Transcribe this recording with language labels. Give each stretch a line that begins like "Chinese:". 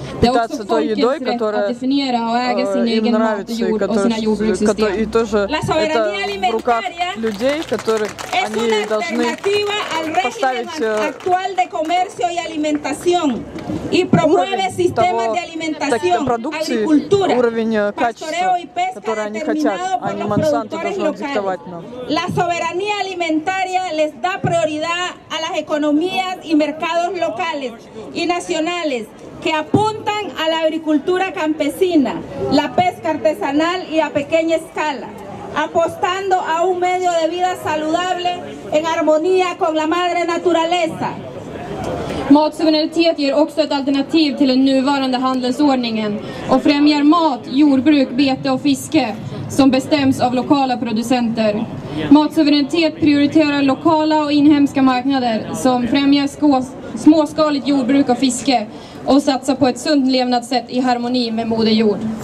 Swedish: Det är också folkets rätt att definiera och äga sin egen mat och jord och sina jordbrukssystem.
Spanish: La soberanía alimentaria es una alternativa al régimen actual de comercio y alimentación y promueve sistemas de alimentación, agricultura, pastoreo y pesca determinado por los productores locales. La soberanía alimentaria les da prioridad a las economías y mercados locales y nacionales que apuntan a la agricultura campesina, la pesca artesanal y a pequeña escala, apostando a un medio de vida saludable en armonía con la madre naturaleza.
Swedish: Matsuveränitet ger också ett alternativ till den nuvarande handelsordningen och främjar mat, jordbruk, bete och fiske som bestäms av lokala producenter. Matsuveränitet prioriterar lokala och inhemska marknader som främjar småskaligt jordbruk och fiske och satsar på ett sunt levnadssätt i harmoni med moder jord.